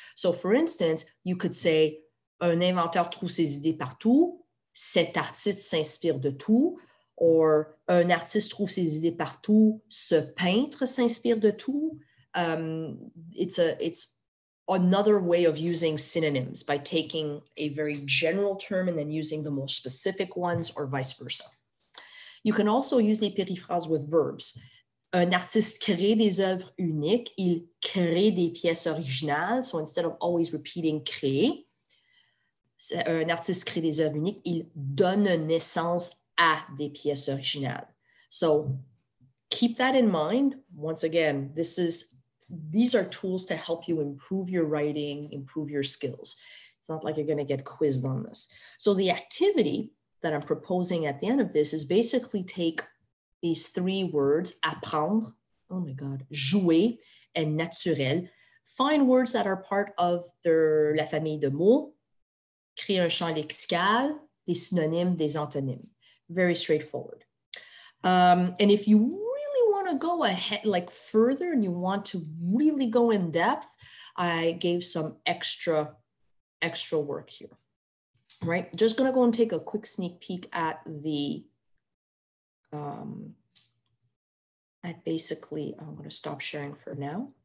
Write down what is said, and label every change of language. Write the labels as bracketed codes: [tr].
[en] So for instance, you could say, [fr] un inventeur trouve ses idées partout, cet artiste s'inspire de tout, or un artiste trouve ses idées partout, ce peintre s'inspire de tout. [en] It's another way of using synonyms by taking a very general term and then using the more specific ones or vice versa. You can also use les périphrases with verbs. [fr] Un artiste crée des œuvres uniques, il crée des pièces originales. [en] So instead of always repeating [fr] créer, un artiste crée des œuvres uniques, il donne naissance à des pièces originales. [en] So keep that in mind. Once again, these are tools to help you improve your writing, improve your skills. It's not like you're going to get quizzed on this. So the activity that I'm proposing at the end of this is basically take these three words, apprendre, oh my God, jouer, and naturel. Find words that are part of la famille de mots. [fr] Créer un champ lexical, des synonymes, des antonymes. [en] Very straightforward. And if you really want to go ahead, like further, and you want to really go in depth, I gave some extra work here. Right? Just going to go and take a quick sneak peek at the, I'm going to stop sharing for now.